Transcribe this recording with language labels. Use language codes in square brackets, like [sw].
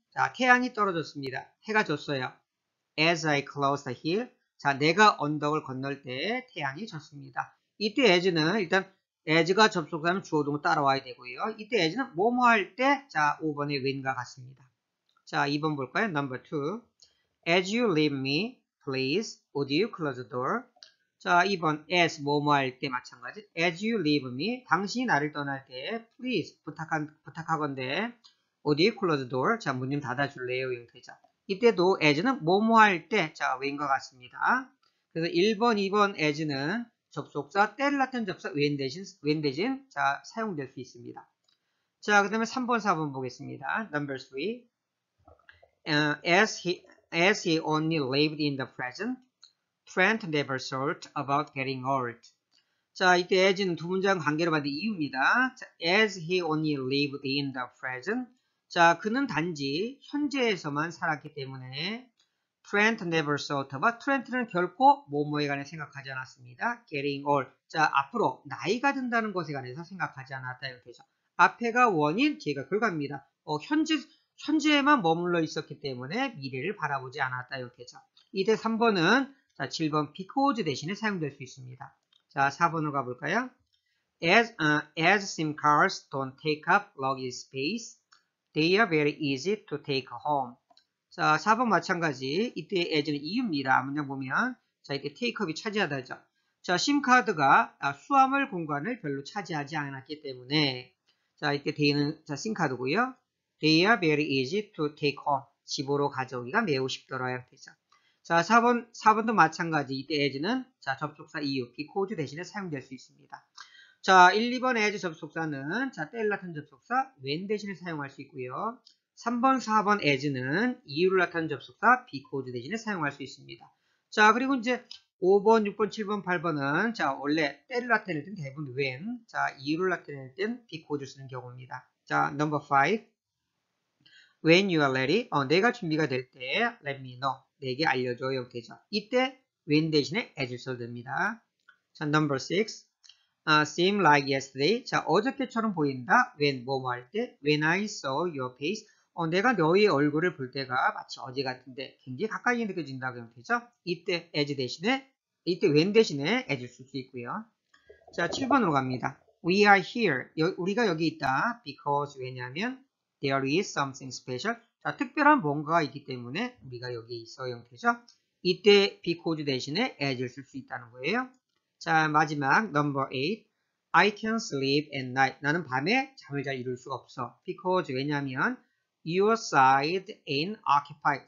[ko] 자, 태양이 떨어졌습니다. 해가 졌어요. [en] As I closed the hill. [ko] 자, 내가 언덕을 건널 때 태양이 졌습니다. 이때 as는 일단 as가 접속사면 주어동을 따라와야 되고요. 이때 as는 뭐뭐 할 때, 자, 5번의 when과 같습니다. 자, 2번 볼까요? [en] Number 2. As you leave me, please, would you close the door? [ko] 자, 2번 as 뭐뭐 할때 마찬가지. [en] As you leave me, [ko] 당신이 나를 떠날 때, please 부탁하건대. [en] Would you close the door? [ko] 자, 문좀 닫아줄래요? 형태죠. 이때도 as는 뭐뭐 할 때, 자, when과 같습니다. 그래서 1번, 2번 as는 접속사, 때라텐 접속사, when 대신, 자, 사용될 수 있습니다. 자, 그 다음에 3번, 4번 보겠습니다. [en] Number 3. As he only lived in the present, Trent never thought about getting old. [ko] 자, 이때 as는 두 문장 관계로 받은 이유입니다. [en] 자, as he only lived in the present. [ko] 자, 그는 단지 현재에서만 살았기 때문에 [en] Trent never thought about. [ko] Trent는 결코 뭐뭐에 관해 생각하지 않았습니다. [en] Getting old. [ko] 자, 앞으로 나이가 든다는 것에 관해서 생각하지 않았다. 이렇게죠. 앞에가 원인, 뒤가 결과입니다. 현재에만 머물러 있었기 때문에 미래를 바라보지 않았다. 이렇게죠. 이때 3번은 자, 7번 because 대신에 사용될 수 있습니다. 자, 4번으로 가볼까요? [en] As SIM cards don't take up luggage space, They are very easy to take home. [ko] 자, 4번 마찬가지. 이때 as는 이유입니다. 문장 보면. 자, 이때 take up이 차지하다죠. 자, SIM 카드가 수화물 공간을 별로 차지하지 않았기 때문에. 자, 이때 대는 자, SIM 카드고요. [en] They are very easy to take home. [ko] 집으로 가져오기가 매우 쉽더라. 이렇게죠. 자, 4번도 마찬가지. 이때 as는 자, 접속사 이유, because 대신에 사용될 수 있습니다. 자, 1, 2번 as 접속사는 자, 때일라텐 접속사 when 대신에 사용할 수 있고요. 3번, 4번 as는 이유를 나타낸 접속사 because 대신에 사용할 수 있습니다. 자, 그리고 이제 5번, 6번, 7번, 8번은 자, 원래 때일라텐일 땐 대부분 when, 자, 이유를 나타낼 땐 because 쓰는 경우입니다. [en] 자, number 5. When you are ready, [ko] 내가 준비가 될때 [en] let me know, [ko] 내게 알려줘. 이렇게 되죠. 이때 when 대신에 as 써도 됩니다. [en] 자, number 6. Seem like yesterday. 자, [ko] 어저께처럼 보인다. [en] When, [ko] 뭐뭐 할 때. [en] When I saw your face. [ko] 내가 너의 얼굴을 볼 때가 마치 어제 같은데 굉장히 가까이 느껴진다고 하면 되죠. 이때 as 대신에, 이때 when 대신에 as 쓸수 있고요. 자, 7번으로 갑니다. [en] We are here. [ko] 우리가 여기 있다. [en] Because, 왜냐면, there is something special. [ko] 자, 특별한 뭔가가 있기 때문에 우리가 여기 있어. 형태죠. 이때 because 대신에 as 쓸수 있다는 거예요. [en] 자, [ko] 마지막 넘버 8. [en] I can't sleep at night. [ko] 나는 밤에 잠을 잘 이룰 수가 없어. [en] Because 왜냐면 your side ain't occupied.